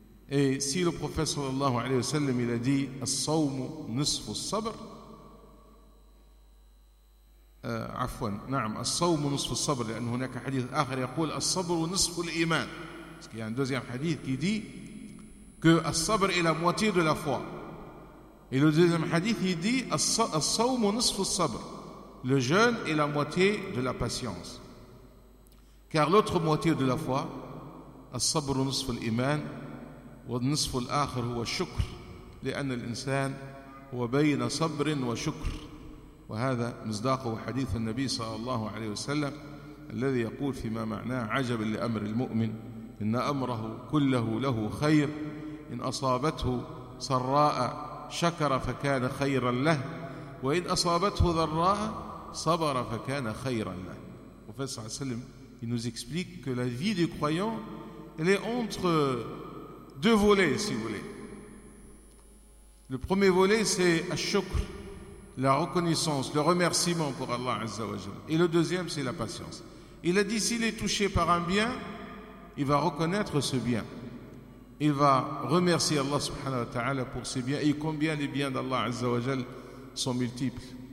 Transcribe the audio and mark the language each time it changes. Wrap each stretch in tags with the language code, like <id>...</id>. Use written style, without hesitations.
<fr>Et si le prophète sallallahu alayhi wa sallam il a dit</fr> <ar>as-sawm nusf as-sabr, afwan, na'am, as-sawm nusf as-sabr, لأن هناك حديث آخر يقول as-sabr nusf al-iman,</ar> <fr>parce qu'il y a un deuxième hadith qui dit que as-sabr est la moitié de la foi. Et le deuxième hadith il dit</fr> <ar>as-sawm nusf as-sabr,</ar> <fr>le jeûne est la moitié de la patience. Car l'autre moitié de la foi,</fr> <ar>as-sabr nusf al-iman, والنصف الآخر هو الشكر لأن الإنسان هو بين صبر وشكر وهذا مصداق حديث النبي صلى الله عليه وسلم الذي يقول فيما معناه عجب لأمر المؤمن إن أمره كله له خير إن أصابته سراء شكر فكان خيرا له وإن أصابته ضراء صبر فكان خيرا له وفي صلى الله عليه وسلم</ar> <fr>il nous explique que la vie du croyant elle est entre deux volets, si vous voulez. Le premier volet, c'est al-shukr, la reconnaissance, le remerciement pour Allah Azza wa Jalla. Et le deuxième, c'est la patience. Il a dit, s'il est touché par un bien, il va reconnaître ce bien. Il va remercier Allah subhanahu wa ta'ala pour ses biens. Et combien les biens d'Allah Azza wa Jalla sont multiples.</fr>